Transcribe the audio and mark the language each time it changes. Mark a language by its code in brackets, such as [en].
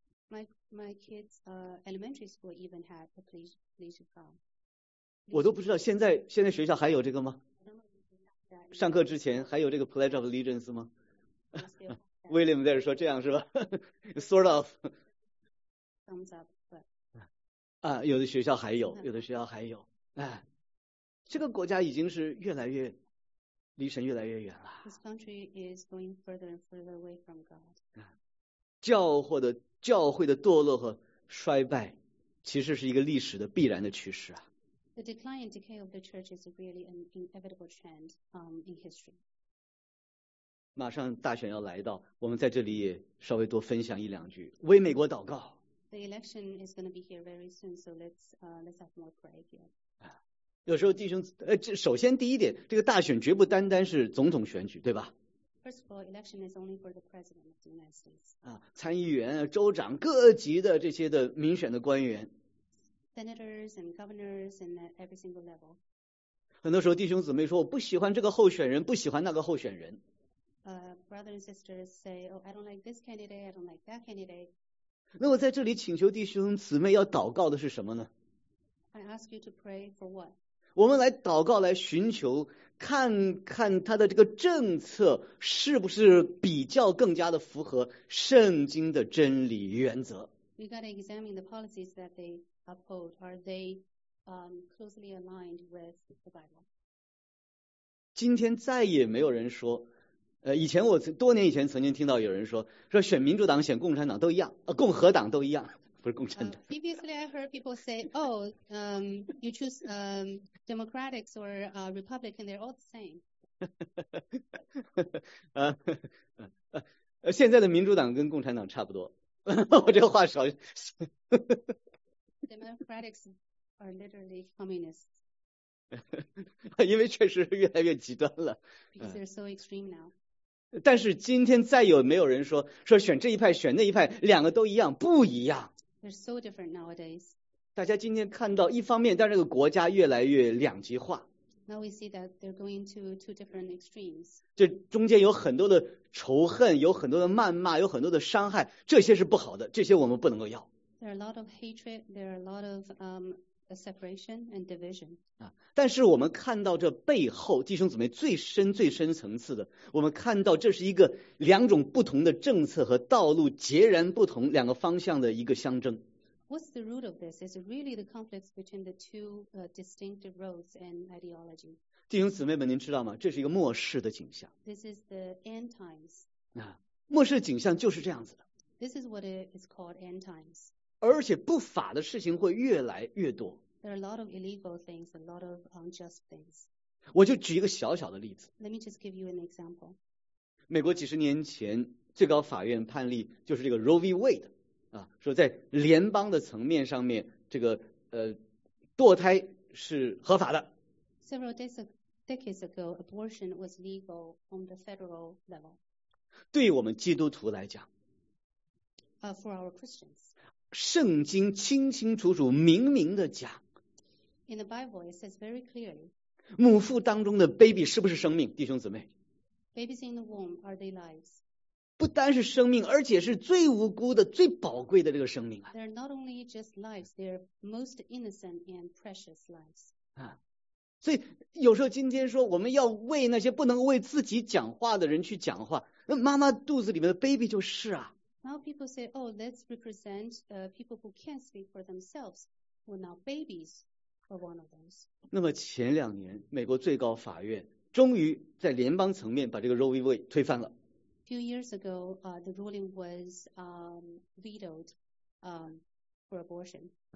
[en] My kids elementary school even had the Pledge of God。 [zh] 我都不知道现在学校还有这个吗？上课之前还有这个 Pledge of Allegiance 吗？William 在这说这样是吧？ [en] Sort of。 Thumbs up。 [zh] 啊，有的学校还有，有的学校还有，哎，这个国家已经是越来越离神越来越远了。 [en] This country is going further and further away from God. [zh] 教会的堕落和衰败，其实是一个历史的必然的趋势啊。 [en] The decline and decay of the church is really an inevitable trend in history. [zh] 马上大选要来到，我们在这里也稍微多分享一两句，为美国祷告。 [en] The election is going to be here very soon, so let's have more prayer here. [zh] 有时候弟兄，首先第一点，这个大选绝不单单是总统选举，对吧 [en] ？First of all, election is only for the president of the United States. [zh] 参议员、州长、各级的这些的民选的官员 [en] ，senators and governors and every single level. [zh] 很多时候弟兄姊妹说，我不喜欢这个候选人，不喜欢那个候选人。 [en] Brothers and sisters say, oh, I don't like this candidate, I don't like that candidate. [zh] 那我在这里请求弟兄姊妹要祷告的是什么呢 [en] ？I ask you to pray for what？ [zh] 我们来祷告，来寻求，看看他的这个政策是不是比较更加的符合圣经的真理原则。 [en] We gotta examine the policies that they uphold. Are they closely aligned with the Bible？ [zh] 今天再也没有人说。以前我多年以前曾经听到有人说选民主党选共产党都一样，共和党都一样，不是共产党。 [en] Previously, I heard people say, you choose Democrats or Republican, they're all the same. [zh] 现在的民主党跟共产党差不多，我这话少。 [en] Democrats are literally communists. [zh] 因为确实越来越极端了。 [en] Because they're so extreme now. [zh] 但是今天再有没有人说选这一派选那一派两个都一样不一样 [en] They're so different nowadays. [zh] 大家今天看到一方面但是这个国家越来越两极化 [en] Now we see that they're going to two different extremes. [zh] 这中间有很多的仇恨有很多的谩骂有很多的伤害这些是不好的这些我们不能够要 [en] There are a lot of hatred, there are a lot of separation and division. [zh] 但是我们看到这背后弟兄姊妹最深最深层次的我们看到这是一个两种不同的政策和道路截然不同两个方向的一个相争 [en] What's the root of this? It's really the conflict between the two distinctive roads and ideology. [zh] 弟兄姊妹们您知道吗这是一个末世的景象 [en] This is the end times. [zh] 末世景象就是这样子的 [en] This is what it is called end times. [zh] 而且不法的事情会越来越多。 [en] There are a lot of illegal things, a lot of unjust things. [zh] 我就举一个小小的例子。 [en] Let me just give you an example. [zh] 美国几十年前最高法院判例就是这个 Roe v. Wade 啊，说在联邦的层面上面，这个堕胎是合法的。 [en] Several decades ago, abortion was legal on the federal level. [zh] 对我们基督徒来讲。 [en] For our Christians. [zh] 圣经清清楚楚明明的讲。 [en] In the Bible, it says very clearly. [zh] 母腹当中的 baby 是不是生命，弟兄姊妹？ [en] Babies in the womb, are they lives? [zh] 不单是生命，而且是最无辜的、最宝贵的这个生命啊。 [en] They're not only just lives, they're most innocent and precious lives. [zh] 啊，所以有时候今天说我们要为那些不能为自己讲话的人去讲话，那妈妈肚子里面的 baby 就是啊。 [en] Now people say, oh, let's represent people who can't speak for themselves. Well, now babies are one of those. [zh] 那么前两年，美国最高法院终于在联邦层面把这个 Roe v. Wade 推翻了。 [en] A few years ago, the ruling was vetoed for abortion.